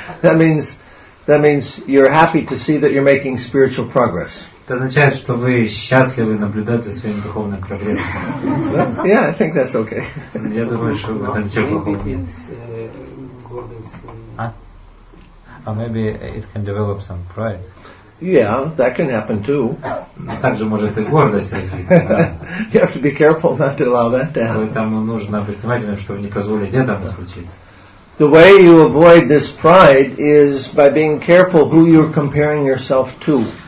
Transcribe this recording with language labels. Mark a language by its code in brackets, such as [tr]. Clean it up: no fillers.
[en] That means you're happy to see that you're making spiritual progress. [ru] Это означает, что вы счастливы наблюдать за своим духовным прогрессом. [en] Yeah, I think that's okay. [ru] Я думаю, что в этом ничего плохого. [en] Maybe it can develop some pride. Yeah, that can happen too. [ru] Также может и гордость развиться. [en] You have to be careful not to allow that to happen. [ru] Поэтому нужно быть внимательным, чтобы не позволить этому случиться. [en] The way you avoid this pride is by being careful who you're comparing yourself to.